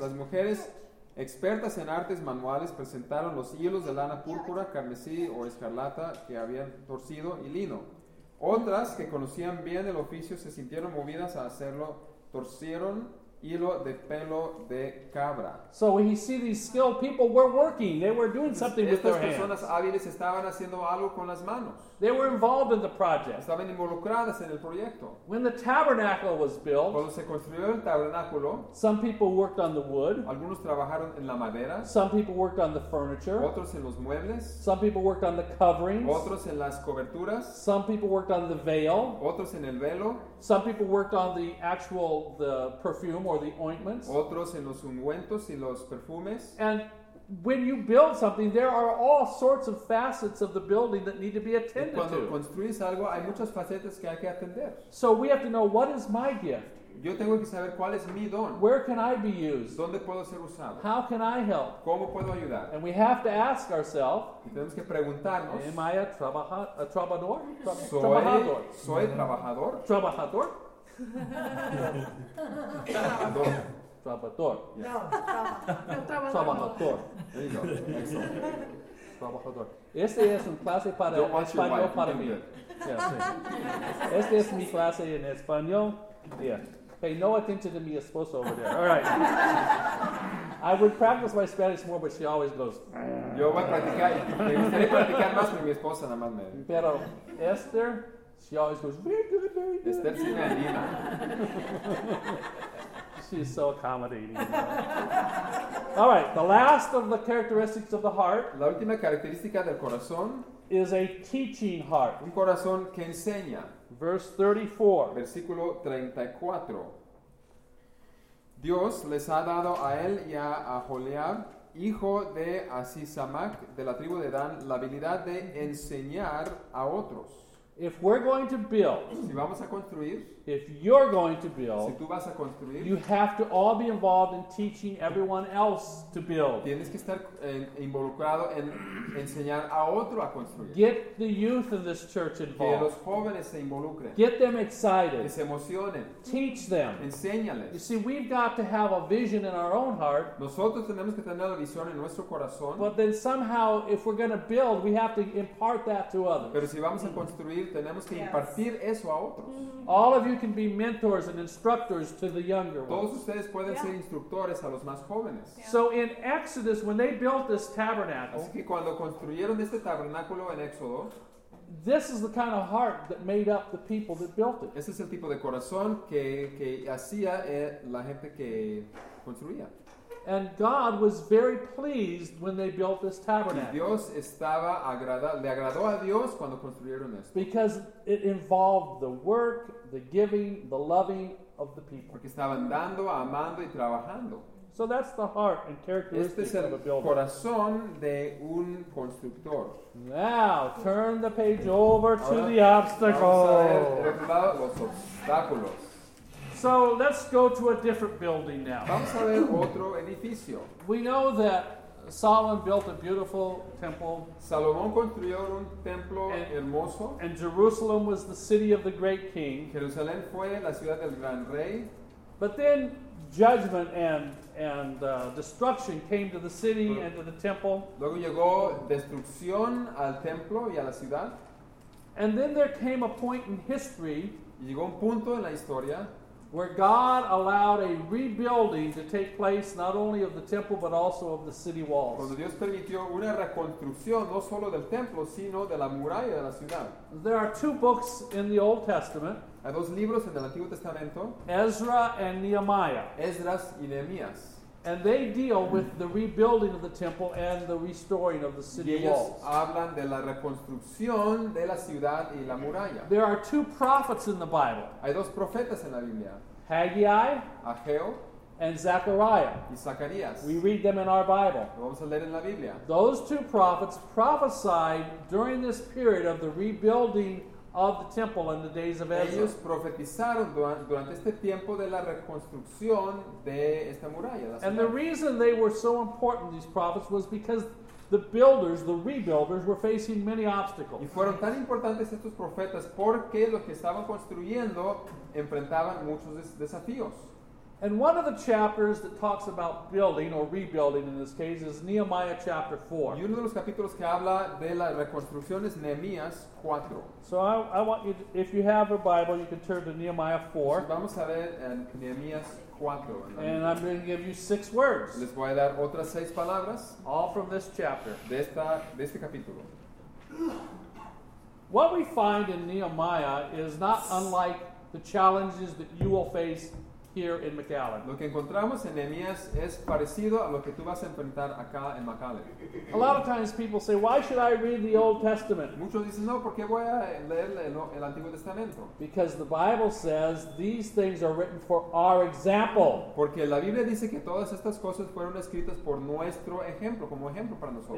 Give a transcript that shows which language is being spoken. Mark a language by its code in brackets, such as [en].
[es] Las mujeres expertas en artes manuales presentaron los hilos de lana púrpura, carmesí o escarlata que habían torcido y lino. Otras que conocían bien el oficio se sintieron movidas a hacerlo, torcieron hilo de pelo de cabra. [en] So when you see these skilled people were working, they were doing something [es] Estas [en] with their hands. [es] Estas personas hábiles estaban haciendo algo con las manos. [en] They were involved in the project. [es] Estaban involucradas en el proyecto. [en] When the tabernacle was built, [es] cuando se construyó el tabernáculo, [en] some people worked on the wood. [es] Algunos trabajaron en la madera. [en] Some people worked on the furniture. [es] Otros en los muebles. [en] Some people worked on the coverings. [es] Otros en las coberturas. [en] Some people worked on the veil. [es] Otros en el velo. [en] Some people worked on the perfume or the ointments. [es] Otros en los ungüentos y los perfumes. [en] And when you build something, there are all sorts of facets of the building that need to be attended [es] cuando [en] to. [es] Cuando construyes algo, hay muchas facetas que hay que atender. [en] So we have to know, what is my gift? [es] Yo tengo que saber cuál es mi don. [en] Where can I be used? [es] ¿Dónde puedo ser usado? [en] How can I help? [es] ¿Cómo puedo ayudar? [en] And we have to ask ourselves, [es] tenemos que preguntarnos, [en] am I a trabajador? [es] ¿Soy trabajador? ¿Trabajador? ¿Trabajador? Trabajador. [en] Yes. [es] No, trabajador. Trabajador. [en] There you go. Excellent. Trabajador. [es] Este es un clase para español para mí. Este es mi clase en español. [en] Yeah. Pay no attention to me esposo over there. All right. I would practice my Spanish more, but she always goes. [es] Yo voy a practicar. Me gustaría practicar más con mi esposa, nada más. Pero [en] Esther, she always goes, very good, very good. [es] Esther sí me anima. [en] She's so accommodating. All right, the last of the characteristics of the heart. [es] La última característica del corazón. [en] Is a teaching heart. [es] Un corazón que enseña. [en] Verse 34. [es] Versículo 34. Dios les ha dado a él y a Aholiab, hijo de Azizamac, de la tribu de Dan, la habilidad de enseñar a otros. [en] If we're going to build, [es] si vamos a construir, [en] if you're going to build, [es] si tú vas a construir, [en] you have to all be involved in teaching everyone else to build. [es] Tienes que estar involucrado en enseñar a otro a construir. [en] Get the youth of this church involved. [es] Que los jóvenes se involucren. [en] Get them excited. [es] Que se emocionen. [en] Teach them. [es] Enséñales. [en] You see, we've got to have a vision in our own heart. [es] Nosotros tenemos que tener la visión en nuestro corazón. [en] But then somehow, if we're going to build, we have to impart that to others. [es] Pero si vamos a construir, tenemos que impartir eso a otros. [en] All of you can be mentors and instructors to the younger ones. [es] Todos ustedes pueden ser instructores a los más jóvenes. [en] So in Exodus, when they built this tabernacle, [es] así que cuando construyeron este tabernáculo en Éxodo, [en] this is the kind of heart that made up the people that built it. [es] Este es el tipo de corazón que hacía la gente que construía. [en] And God was very pleased when they built this tabernacle. [es] Dios estaba le agradó a Dios cuando construyeron esto. [en] Because it involved the work, the giving, the loving of the people. [es] Porque estaban dando, amando y trabajando. [en] So that's the heart and characteristics [es] este es el [en] of a builder. [es] Corazón de un constructor. [en] Now, turn the page over to [es] ahora, [en] the obstacle. [es] Vamos a ver lado, los obstáculos. [en] So let's go to a different building now. [es] Vamos a ver otro edificio. [en] We know that Solomon built a beautiful temple. [es] Salomón construyó un templo hermoso. [en] And Jerusalem was the city of the great king. [es] Jerusalén fue la ciudad del gran rey. [en] But then judgment and destruction came to the city and to the temple. [es] Luego llegó destrucción al templo y a la ciudad. [en] And then there came a point in history. [es] Y llegó un punto en la historia. [en] Where God allowed a rebuilding to take place not only of the temple but also of the city walls. [es] Cuando Dios permitió una reconstrucción no solo del templo sino de la muralla de la ciudad. [en] There are two books in the Old Testament. [es] Hay dos libros en el Antiguo Testamento. [en] Ezra and Nehemiah. [es] Esdras y Nehemías. [en] And they deal with the rebuilding of the temple and the restoring of the city [es] y ellos [en] walls. [es] Hablan de la reconstrucción de la ciudad y la muralla. [en] There are two prophets in the Bible. [es] Hay dos profetas en la Biblia. [en] Haggai, [es] Ageo, [en] and Zechariah. [es] Y Zacarías. [en] We read them in our Bible. [es] Lo vamos a leer en la Biblia. [en] Those two prophets prophesied during this period of the rebuilding of the temple in the days of Ezra. [es] Ellos profetizaron durante este tiempo de la reconstrucción de esta muralla. [en] And the reason they were so important, these prophets, was because the builders, the rebuilders, were facing many obstacles. [es] Y fueron tan importantes estos profetas porque los que estaban construyendo enfrentaban muchos desafíos. [en] And one of the chapters that talks about building or rebuilding in this case is Nehemiah chapter 4. [es] Y uno de los capítulos que habla de la reconstrucción es Nehemías 4. [en] So I want you to, if you have a Bible, you can turn to Nehemiah 4. [es] Entonces vamos a ver en Nehemías 4. [en] And I'm going to give you 6 words. [es] Les voy a dar otras 6 palabras. [en] All from this chapter. [es] De este capítulo. [en] What we find in Nehemiah is not unlike the challenges that you will face here in McAllen. [es] Lo que encontramos en Nehemías es parecido a lo que tú vas a enfrentar acá en McAllen. [en] A lot of times people say, why should I read the Old Testament? [es] Muchos dicen, no, ¿por qué voy a leer el Antiguo Testamento? [en] Because the Bible says these things are written for our example. [es] Porque la Biblia dice que todas estas cosas fueron escritas por nuestro ejemplo, como ejemplo para nosotros.